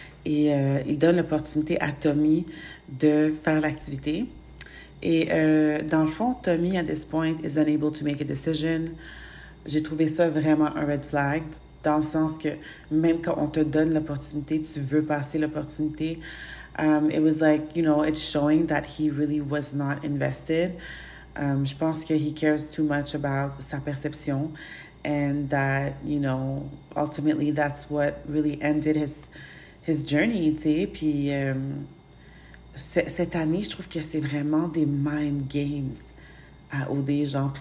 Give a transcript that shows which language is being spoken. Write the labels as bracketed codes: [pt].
[fr] Et il donne l'opportunité à Tommy de faire l'activité. Et dans le fond, [en] Tommy, at this point, is unable to make a decision. [fr] J'ai trouvé ça vraiment un red flag, dans le sens que même quand on te donne l'opportunité, tu veux passer l'opportunité. [en] It was like, it's showing that he really was not invested. [fr] Je pense que [en] he cares too much about [fr] sa perception [en] and that, ultimately that's what really ended his journey, [fr] tu sais. [en] Puis cette année, je trouve que c'est vraiment des mind games à OD, genre.